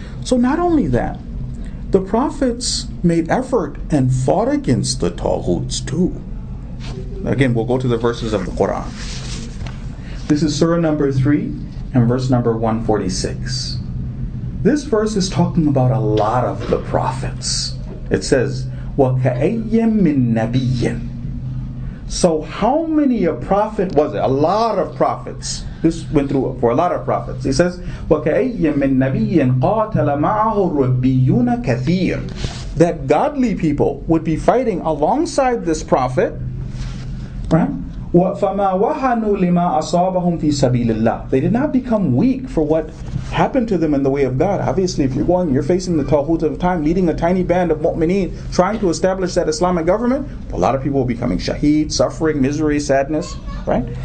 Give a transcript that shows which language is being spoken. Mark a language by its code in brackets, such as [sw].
[en] So not only that, the prophets made effort and fought against the taghuts too. Again, we'll go to the verses of the Quran. This is surah number 3 and verse number 146. This verse is talking about a lot of the prophets. It says, [ar] وَكَأَيَّمْ مِن نَبِيٍّ. [en] So how many a prophet was it? A lot of prophets. This went through for a lot of prophets. He says, [ar] وَكَأَيَّمْ مِن نَبِيٍّ قَاتَلَ مَعَهُ رَبِّيُّونَ كَثِيرٌ. [en] That godly people would be fighting alongside this prophet, right? [ar] فَمَا وَهَنُوا لِمَا أَصَابَهُمْ فِي سَبِيلِ اللَّهِ. [en] They did not become weak for what happened to them in the way of God. Obviously, if you're going, you're facing the taghut of time, leading a tiny band of mu'mineen, trying to establish that Islamic government, a lot of people are becoming shaheed, suffering, misery, sadness, right?